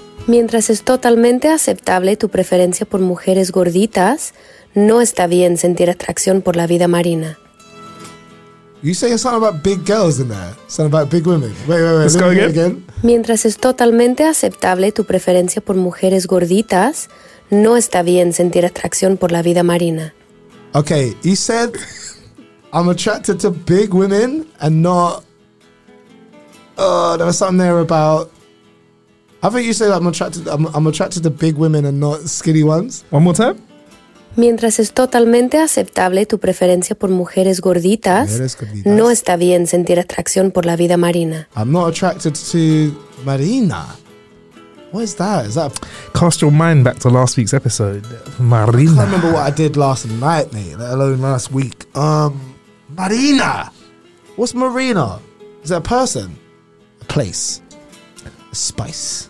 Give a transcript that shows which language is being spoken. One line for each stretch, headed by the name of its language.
Spanish: Mientras es totalmente aceptable tu preferencia por mujeres gorditas, no está bien sentir atracción por la vida marina.
English: You say something about big girls in there. Something about big women. Wait. Let's go again.
Spanish: Mientras es totalmente aceptable tu preferencia por mujeres gorditas, no está bien sentir atracción por la vida marina.
English: Okay, you said I'm attracted to big women and not... Oh, there was something there about... I think you said I'm attracted to big women and not skinny ones. One more time.
Spanish: Mientras es totalmente aceptable tu preferencia por mujeres gorditas, no está bien sentir atracción por la vida marina.
English: I'm not attracted to Marina. What is that? Is that cast your mind back to last week's episode, Marina? I can't remember what I did last night, mate. Let alone last week. Marina. What's Marina? Is that a person? A place. Spice.